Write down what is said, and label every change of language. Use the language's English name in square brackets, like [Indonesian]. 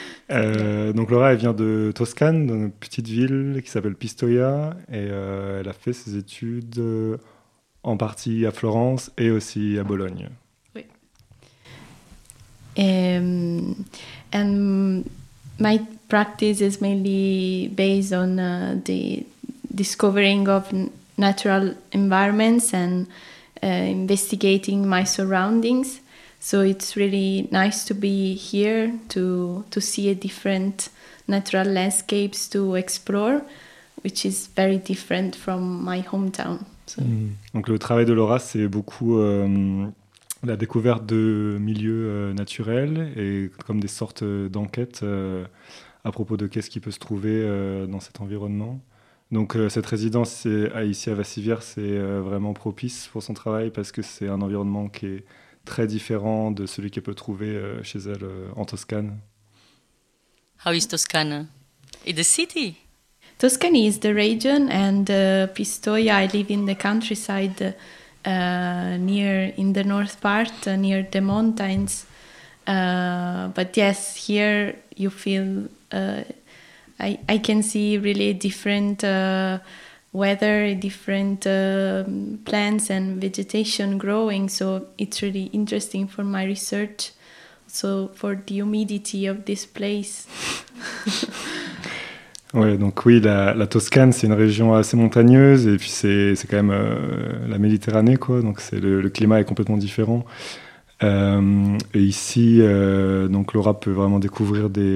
[French] Donc Laura, elle vient de Toscane, d'une petite ville qui s'appelle Pistoia, et elle a fait ses études en partie à Florence et aussi à Bologne. Oui. [English] And my practice is mainly based on the discovering of natural environments and investigating my surroundings. So it's really nice to be here to see a different natural landscapes to explore, which is very different from my hometown. So. [French] Donc le travail de Laura, c'est beaucoup la découverte de milieux naturels et comme des sortes d'enquêtes à propos de qu'est-ce qui peut se trouver dans cet environnement. Donc cette résidence ici à Vassivière, c'est vraiment propice pour son travail parce que c'est un environnement qui est très différent de celui qu'elle peut trouver chez elle en Toscane. [English] How is Toscana? In the city? Toscany is the region and Pistoia, I live in the countryside in the north part, near the mountains. But yes, here you feel, I can see really different weather, different plants and vegetation growing, so it's really interesting for my research, so for the humidity of this place. [French] Ouais, donc oui, la Toscane, c'est une région assez montagneuse, et puis c'est quand même la Méditerranée, quoi, donc c'est le climat est complètement différent. Et ici, donc Laura peut vraiment découvrir